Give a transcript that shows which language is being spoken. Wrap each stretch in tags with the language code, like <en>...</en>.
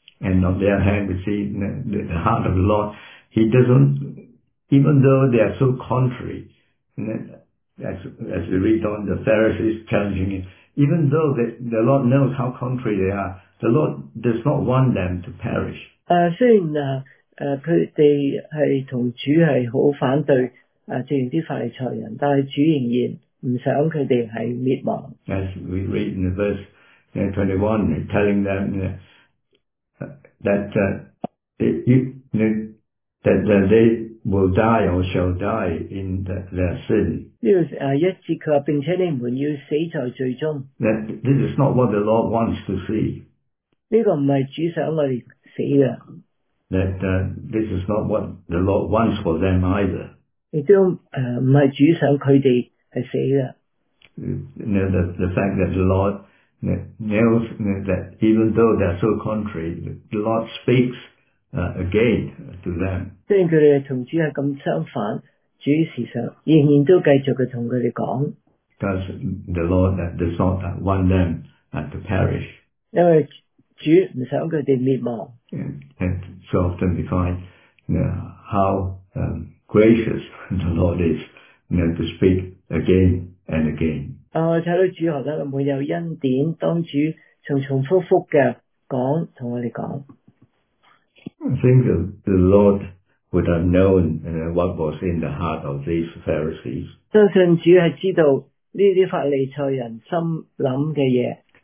<en>And on the other hand, we see the heart of the Lord, he doesn't, even though they are so contrary, as we read on the Pharisees challenging him, even though the Lord knows how contrary they are, the Lord does not want them to perish.</en> <zh>雖然他們是跟主是很反對,正如法利賽人,但主仍然不想他們是滅亡。</zh> <en>As we read in verse 21, telling them that they will die or shall die in their sin.</en> <zh>一節他說,並且你們要死在罪中。</zh> <en>This is not what the Lord wants to see.</en> <zh>這個不是主想我們死的。</zh> <en>This is not what the Lord wants for them either.</en> <zh>也不是主想他們死的。</zh> <en>The fact that the Lord knows that even though they are so contrary, the Lord speaks again to them.</en> <zh>雖然他們跟主是這麼相反, 主時常仍然都繼續跟他們說,</zh> <en>because the Lord does not want them to perish.</en> <zh>因為主不想他們滅亡。</zh> <en>And so often we find how gracious the Lord is to speak again and again.</en> <zh>我看到主何等滿有恩典, 當主重重複複的說,</zh> <en>I think the Lord would have known what was in the heart of these Pharisees.</en> <zh>相信主是知道這些法利賽人心想的事。</zh>